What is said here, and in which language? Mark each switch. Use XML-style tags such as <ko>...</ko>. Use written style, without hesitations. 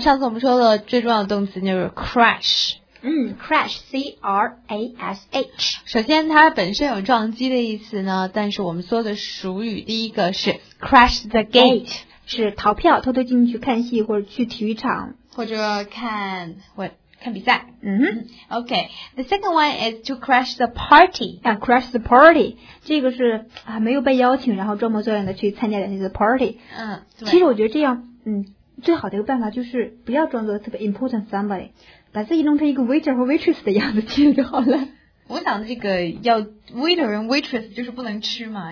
<zh>上次我们说的最重要的动词就是 crash.</zh> <en>Crash, C-R-A-S-H.</en> <zh>首先它本身有撞击的意思呢，但是我们说的俗语第一个是 crash the gate. 是逃票，偷偷进去看戏或者去体育场。或者看</zh> <en>what?</en> <zh>看比赛。 Mm-hmm.</zh> <en>Okay, the second one is to crash the party. Yeah, crash the party.</en> <zh>这个是、没有被邀请然后装模作样的去参加的那个 party. 其实我觉得这样最好的一个办法就是不要装作特别</zh> <en>important somebody.</en> <zh>把自己弄成一个 waiter 或 waitress 的样子其实就好了。我想这个要 waiter 和 waitress 就是不能吃嘛。</zh>